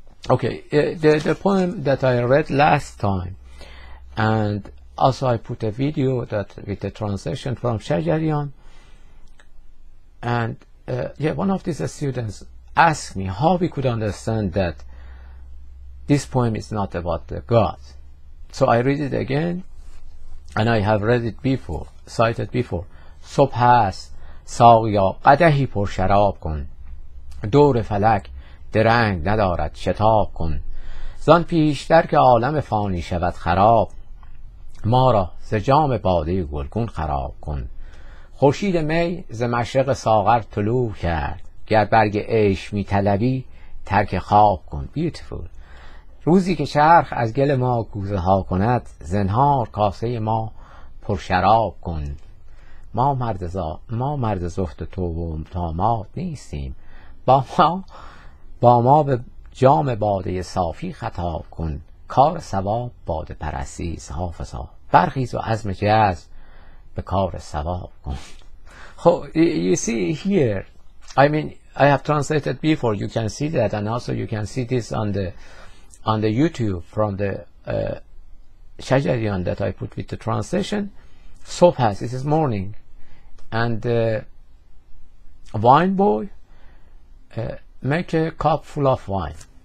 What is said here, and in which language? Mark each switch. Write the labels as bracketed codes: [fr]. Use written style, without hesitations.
[en] Okay, the poem that I read last time, and also I put a video that with the translation from Shajarian, and one of these students asked me how we could understand that this poem is not about the God. So I read it again, and I have read it before, cited before. [fa] صبح است ساقیا قدحی پر شراب کن دور فلک درنگ ندارد شتاب کن زان پیشتر که عالم فانی شود خراب ما را ز جام باده گلگون خراب کن خورشید می ز مشرق ساغر طلوع کرد گر برگ عیش می طلبی ترک خواب کن. [en] Beautiful. [fa] روزی که چرخ از گل ما گوزه ها کند زنهار کاسه ما پرشراب کن ما مرد زهد تو و طامات نیستیم با ما به جام باده صافی خطاب کن کار ثواب باده پرستی حافظا برخیز و عزم جزم به کار ثواب کن. [en] خب you see here, I mean I have translated before, you can see that, and also you can see this on the YouTube from the Shajarian that I put with the translation. Sophas, this is morning, and the wine boy make a cup full of wine.